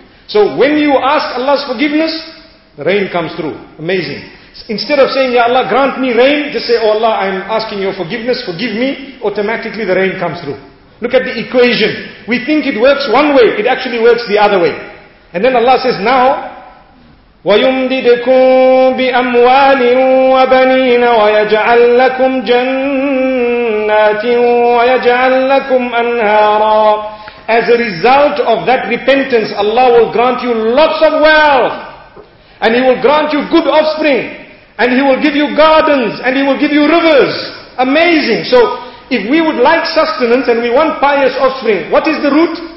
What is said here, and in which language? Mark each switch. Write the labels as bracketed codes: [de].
[en] So when you ask Allah's forgiveness, rain comes through. Amazing. Instead of saying, Ya Allah, grant me rain, just say, oh Allah, I'm asking your forgiveness, forgive me. Automatically the rain comes through. Look at the equation. We think it works one way, it actually works the other way. And then Allah says, now, [ar] وَيُمْدِدْكُمْ بِأَمْوَالٍ وَبَنِينَ وَيَجْعَلْ لَكُمْ جَنَّاتٍ وَيَجْعَلْ لَكُمْ أَنْهَارًا. [en] As a result of that repentance, Allah will grant you lots of wealth. And He will grant you good offspring. And He will give you gardens. And He will give you rivers. amazing. So, if we would like sustenance and we want pious offspring, what is the root?